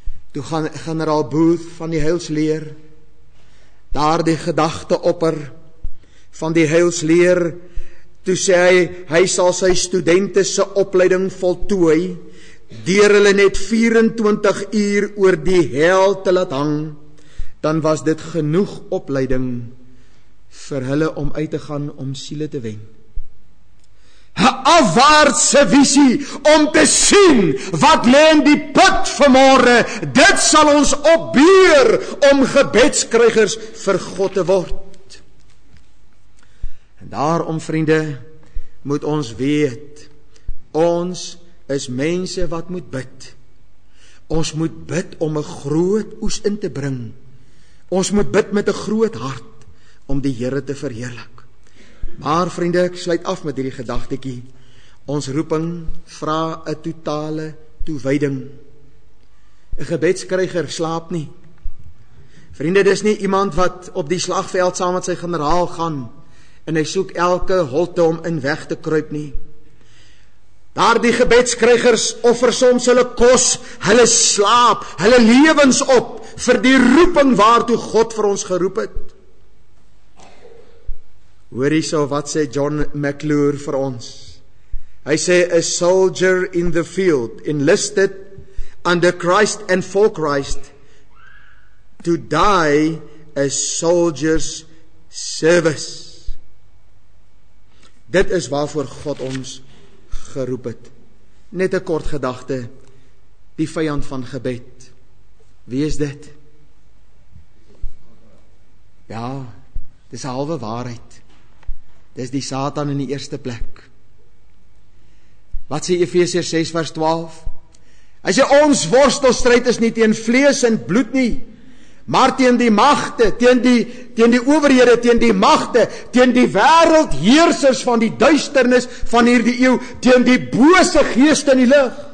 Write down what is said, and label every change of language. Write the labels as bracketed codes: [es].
[af] Toe gaan generaal Booth van die heilsleer daar die gedagte opper van die heilsleer, toe sê hy, hy sal sy studente se opleiding voltooi deur hulle net 24 uur oor die hel te laat hang, dan was dit genoeg opleiding vir hulle om uit te gaan om siele te wen. 'N afwaartse visie om te sien wat lê in die put vanmôre. Dit sal ons opbeur om gebedskrygers vir God te word. En daarom vriende, moet ons weet, ons is mense wat moet bid. Ons moet bid om 'n groot oes in te bring. Ons moet bid met 'n groot hart om die Here te verheerlik. Maar vriende, ek sluit af met hierdie gedagtetjie. Ons roeping vra 'n totale toewyding. 'N gebedskryger slaap nie. Vriende, dis nie iemand wat op die slagveld saam met sy generaal gaan en hy soek elke holte om in weg te kruip nie. Daardie gebedskrygers offer soms hulle kos, hulle slaap, hulle lewens op vir die roeping waartoe God vir ons geroep het. Hoor hierso wat sê John McClure vir ons. Hy sê, [en] a soldier in the field enlisted under Christ and for Christ to die a soldier's service. [af] Dit is waarvoor God ons geroep het. Net 'n kort gedagte, die vyand van gebed. Wie is dit? Ja, dis 'n halwe waarheid. Dis die Satan in die eerste plek. Wat sê Efesiërs 6 vers 12? Hy sê, ons worstelstryd is nie teen vlees en bloed nie, maar teen die magte, teen die owerhede, teen die magte, teen die wêreldheersers van die duisternis van hierdie eeu, teen die bose geeste in die lig.